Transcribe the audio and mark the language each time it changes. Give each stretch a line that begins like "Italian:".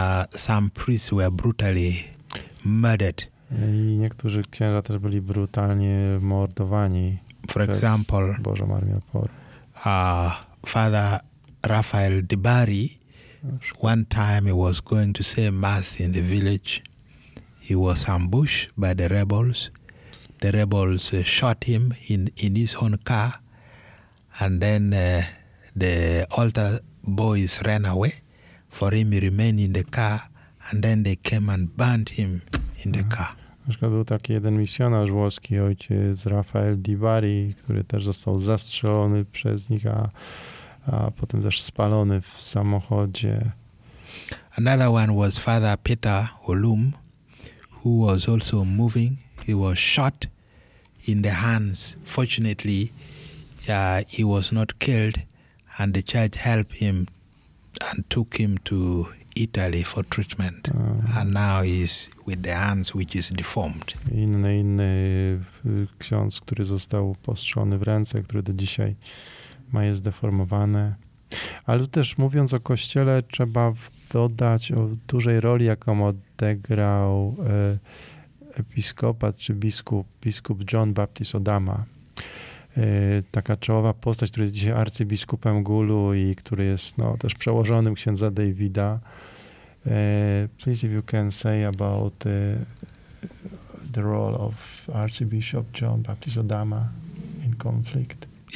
English: Some priests were brutally murdered.
Polish: I niektórzy księża też byli brutalnie mordowani.
English: For example,
Polish: Bożą Armię Oporu.
English: Father Rafael de Bari, one time he was going to say mass in the village. He was ambushed by the rebels. The rebels shot him in his own car, and then the altar boys ran away. For him, he remained in the car, and then they came and burned him in the car.
Polish: Na przykład był taki jeden misjonarz włoski, ojciec Rafael Di Bari, który też został zastrzelony przez nich, a potem też spalony w samochodzie.
English: Another one was Father Peter Olum, who was also moving. He was shot in the hands. Fortunately, he was not killed, and the church helped him and took him to Italy for treatment. And now he's with the hands which is deformed.
Polish: Inny ksiądz, który został postrzelony w ręce, który do dzisiaj ma je zdeformowane. Ale tu też mówiąc o kościele, trzeba dodać o dużej roli, jaką odegrał episkopat czy biskup John Baptist Odama. Taka czołowa postać, który jest dzisiaj arcybiskupem Gulu i który jest też przełożonym księdza Davida.
English: Please, if you can say about the role of Archbishop John Baptist Odama in conflict.